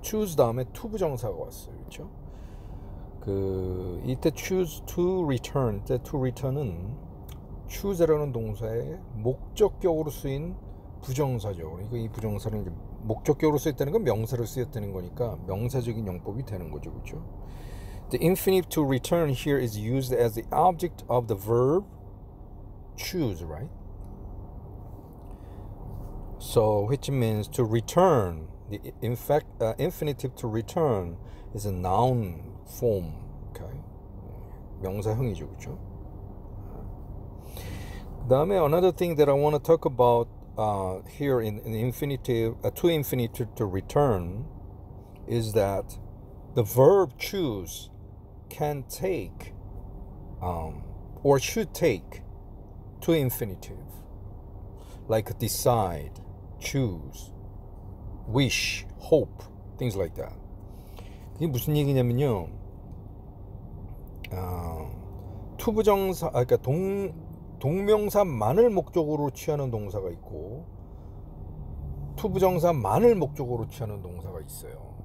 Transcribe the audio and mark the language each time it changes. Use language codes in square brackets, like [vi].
[ko] choose 다음에 to 부정사가 왔어요. 그렇죠? 그 이때 choose to return, 이때 to return은 choose라는 동사의 목적격으로 쓰인 부정사죠. 그러니까 이 부정사는 이제 목적격으로 쓰였다는 건 명사로 쓰였다는 거니까 명사적인 영법이 되는 거죠. 그렇죠? [en] The infinitive to return here is used as the object of the verb choose, right? So which means to return. The in fact infinitive to return is a noun form. [ko] Okay? 명사형이죠. 그렇죠? 그다음에 [en] another thing that I want to talk about here in infinitive, to infinitive to return is that the verb choose can take or should take to infinitive like decide, choose, wish, hope, things like that. [ko] 그게 무슨 얘기냐면요. To 투부정사, 그러니까 동명사만을 목적으로 취하는 동사가 있고 투부정사만을 목적으로 취하는 동사가 있어요.